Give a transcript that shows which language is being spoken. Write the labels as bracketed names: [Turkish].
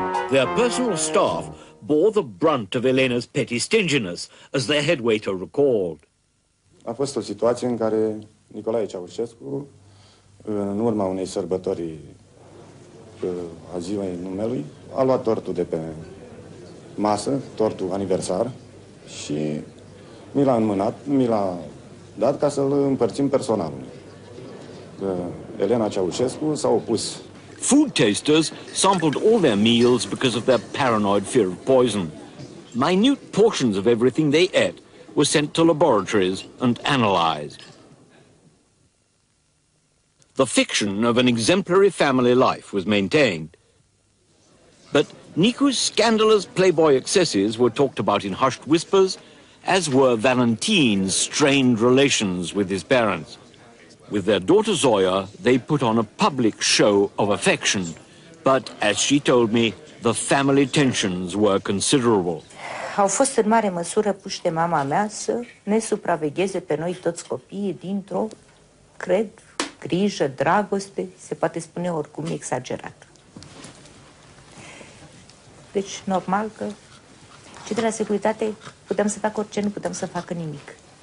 [English] Their personal staff bore the brunt of Elena's petty stinginess, as their head waiter recalled. [Romanian] A fost o situație în care Nicolae Ceaușescu, în urma unei sărbători a ziua numelui, a luat tortul de pe masă, tortul aniversar, și mi l-a înmânat, mi l-a dat ca să-l împărțim personal. Elena Ceaușescu s-a opus. [English] Food tasters sampled all their meals because of their paranoid fear of poison. Minute portions of everything they ate were sent to laboratories and analyzed. The fiction of an exemplary family life was maintained. But Nicu's scandalous playboy excesses were talked about in hushed whispers, as were Valentin's strained relations with his parents. With their daughter Zoya, they put on a public show of affection. But, as she told me, the family tensions were considerable. [Romanian] Au fost în mare măsură puși de mama mea să ne supravegheze pe noi toți copiii dintr-o, cred, grijă, dragoste, se poate spune oricum exagerat. Deci, normal că cei de la securitate puteam să fac orice, nu puteam să facă nimic.